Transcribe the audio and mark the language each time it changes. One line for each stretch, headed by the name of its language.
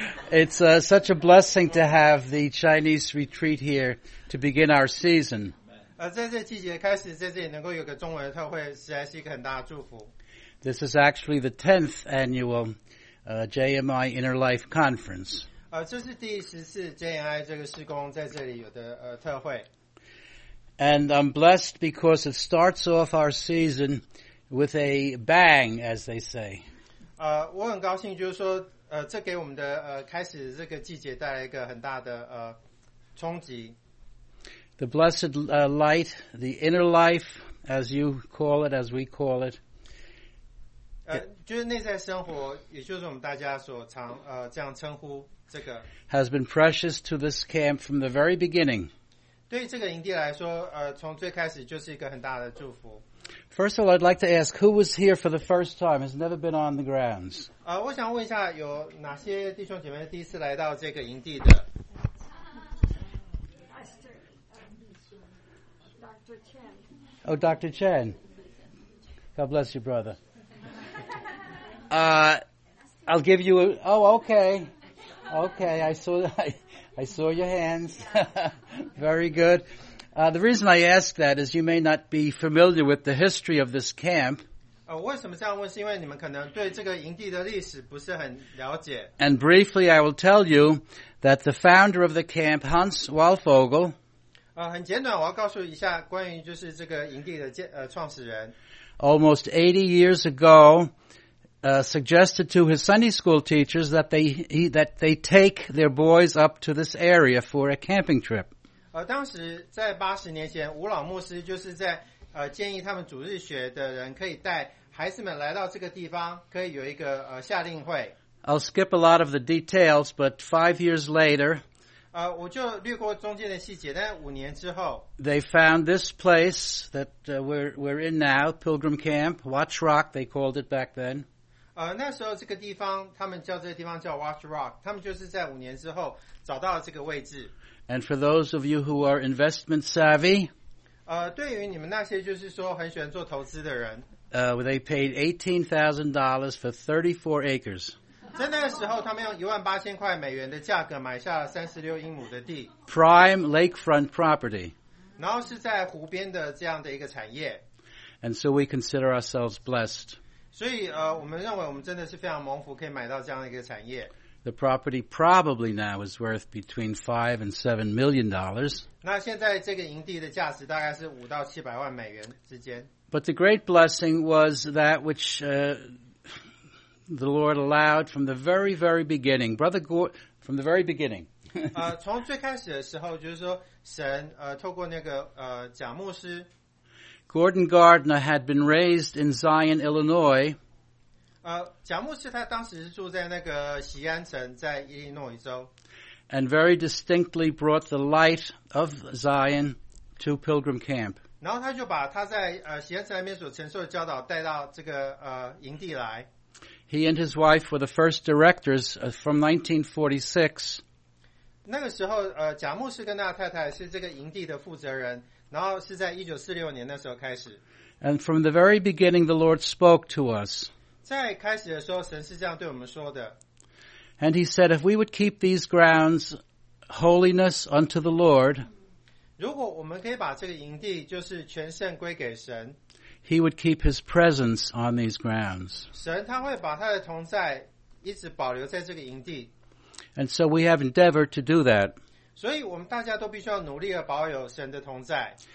English: It's such a blessing to have the Chinese retreat here to begin our season.
Chinese: 在这季节开始在这里能够有个中文的特会实在是一个很大的祝福。
English: This is actually the 10th annual JMI Inner Life Conference.
Chinese: 这是第14 JMI 这个事工在这里有的特会。
English: And I'm blessed because it starts off our season with a bang, as they say.
Chinese: 我很高兴就是说这给我们的开始这个季节带来一个很大的冲击。
English: The blessed light, the inner life, as you call it, as we call it.
Chinese: 就是内在生活，也就是我们大家所常这样称呼这个。
English: Has been precious to this camp from the very beginning.
Chinese: 对这个营地来说，从最开始就是一个很大的祝福。
English: First of all, I'd like to ask who was here for the first time, has never been on the grounds.
Chinese: 我想问一下，有哪些弟兄姐妹第一次来到这个营地的？
English: Oh, Dr. Chen. God bless you, brother. I'll give you a... Oh, okay. Okay, I saw your hands. Very good. The reason I ask that is you may not be familiar with the history of this camp.
Chinese: 为什么这样问？是因为你们可能对这个营地的历史不是很了解。
English: And briefly, I will tell you that the founder of the camp, Hans Walfogel,
Chinese: 很简短，我要告诉一下关于就是这个营地的创始人。
English: Almost 80 years ago, suggested to his Sunday school teachers that they take their boys up to this area for a camping trip.
Chinese: 当时在80年前，吴老牧师就是在建议他们主日学的人可以带孩子们来到这个地方，可以有一个夏令会。
English: I'll skip a lot of the details, but 5 years later.
Chinese: 我就略过中间的细节，但五年之后
English: ，They found this place that we're in now, Pilgrim Camp, Watch Rock. They called it back then.
Chinese: 那时候这个地方，他们叫这个地方叫 Watch Rock。他们就是在五年之后找到了这个位置。
English: And for those of you who are investment savvy,
Chinese: 对于你们那些就是说很喜欢做投资的人
English: ，They paid $18,000 for 34 acres.
Chinese: 在那个时候，他们用18,000块美元的价格买下了36英亩的地
English: ，prime lakefront property，
Chinese: 然后是在湖边的这样的一个产业
English: ，and so we consider ourselves blessed。
Chinese: 所以我们认为我们真的是非常蒙福，可以买到这样的一个产业。
English: The property probably now is worth between $5 and $7 million.
Chinese: 那现在这个营地的价值大概是5到700万美元之间。
English: But the great blessing was that which the Lord allowed from the very, very beginning, Brother Gore, from the very beginning.
Chinese: 从最开始的时候，就是说神透过那个贾牧师。
English: Gordon Gardner had been raised in Zion, Illinois.
Chinese: 贾牧师他当时是住在那个锡安城，在伊利诺伊州。
English: And very distinctly brought the light of Zion to Pilgrim Camp.
Chinese: 然后他就把他在锡安城那边所承受的教导带到这个营地来。
English: He and his wife were the first directors from 1946.
Chinese: 那个时候，贾牧师跟他的太太是这个营地的负责人，然后是在1946年那时候开始。
English: And from the very beginning, the Lord spoke to us.
Chinese: 在开始的时候，神是这样对我们说的。
English: And He said, if we would keep these grounds holiness unto the Lord,
Chinese: 如果我们可以把这个营地就是全圣归给神。
English: He would keep his presence on these grounds.
Chinese: 神他会把他的同在一直保留在这个营地。
English: And so we have endeavored to do that.
Chinese: 所以我们大家都必须要努力地保有神的同在。